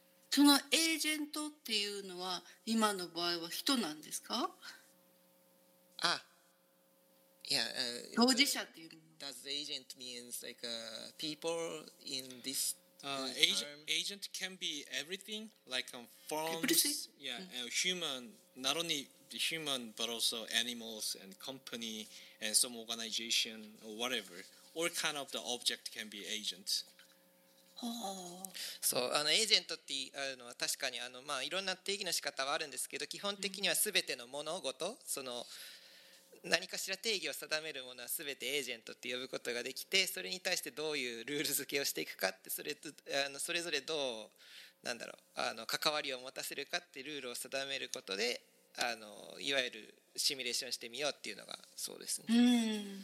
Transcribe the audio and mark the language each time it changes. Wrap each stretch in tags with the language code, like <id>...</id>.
<ja>そのエージェントっていうのは今の場合は人なんですか？あ、いや、当事者っていうの。</ja> <en>Does the agent means like a people in this? Agent can be everything, like forms, and human, not only the human, but also animals and company and some organization or whatever. All kind of the object can be agent.</en> <ja>そう、エージェントっていうのは確かに、まあ、いろんな定義の仕方はあるんですけど、基本的には全ての物事、その何かしら定義を定めるものは全てエージェントって呼ぶことができて、それに対してどういうルール付けをしていくかって、それとそれぞれどう、なんだろう、関わりを持たせるかってルールを定めることで、いわゆるシミュレーションしてみようっていうのが、そうですね。</ja>